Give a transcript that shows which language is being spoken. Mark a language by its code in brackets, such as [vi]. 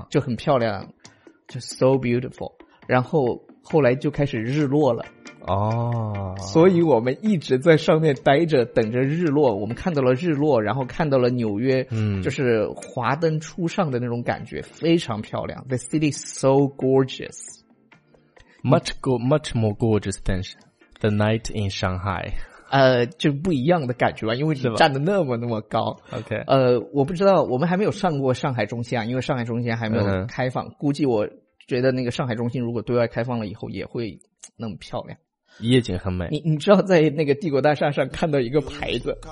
[zh] 嗯，就很漂亮，就 [en] so beautiful。 [zh] 然后后来就开始日落了，哦，所以我们一直在上面待着，等着日落。我们看到了日落，然后看到了纽约，嗯，就是华灯初上的那种感觉，非常漂亮。 [en] The city is so gorgeous, much more gorgeous than the night in Shanghai。 [zh] 就不一样的感觉吧，因为你站得那么高。 OK，我不知道，我们还没有上过上海中心啊，因为上海中心还没有开放，嗯、估计我。觉得那个上海中心如果对外开放了以后也会那么漂亮，夜景很美。你知道在那个帝国大厦上看到一个牌子，